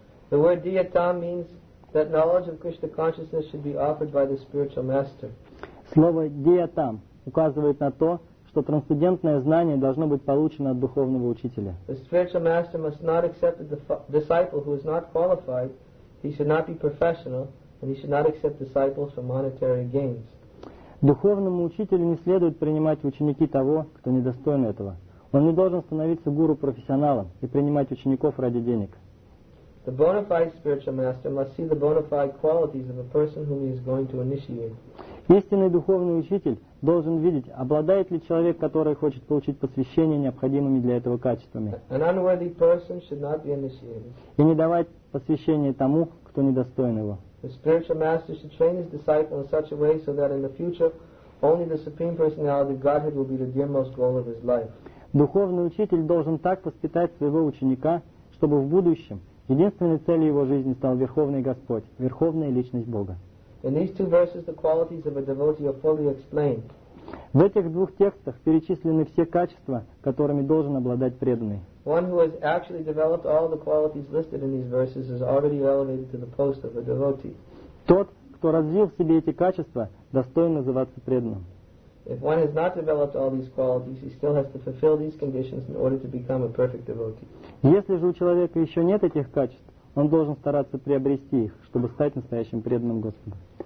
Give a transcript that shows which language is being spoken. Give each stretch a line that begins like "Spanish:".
English: The word Diyatam means that knowledge of Krishna consciousness should be offered by the spiritual master.
Russian: Слово Диятам указывает на то, что трансцендентное знание должно быть получено от духовного учителя.
English: The spiritual master must not accept a disciple who is not qualified. He should not be professional, and he should not accept disciples for monetary gains.
Russian: Духовному учителю не следует принимать ученики того, кто недостоин этого. Он не должен становиться гуру-профессионалом и принимать учеников ради денег.
English: The bona fide spiritual master must see the bona fide qualities of a person whom he is going to initiate.
Russian: Истинный духовный учитель должен видеть, обладает ли человек, который хочет получить посвящение, необходимыми для этого качествами.
English: An unworthy person should not be initiated.
Russian: И не давать посвящение тому, кто недостоин его.
English: The spiritual master should train his disciple in such a way so that in the future only the Supreme Personality of Godhead will be the dearmost goal of his life.
Russian: Духовный учитель должен так воспитать своего ученика, чтобы в будущем единственной целью его жизни стал Верховный Господь, Верховная Личность Бога.
English: In these two verses the qualities of a devotee are fully explained.
Russian: В этих двух текстах перечислены все качества, которыми должен обладать преданный.
English: One who has actually developed all the qualities listed in these verses is already elevated to the post of a devotee.
Russian: Тот, кто развил в себе эти качества, достоин называться преданным.
English: If one has not developed all these qualities, he still has to fulfill these conditions in order to become a perfect devotee.
Russian: Если же у человека еще нет этих качеств, он должен стараться приобрести их, чтобы стать настоящим преданным Господу.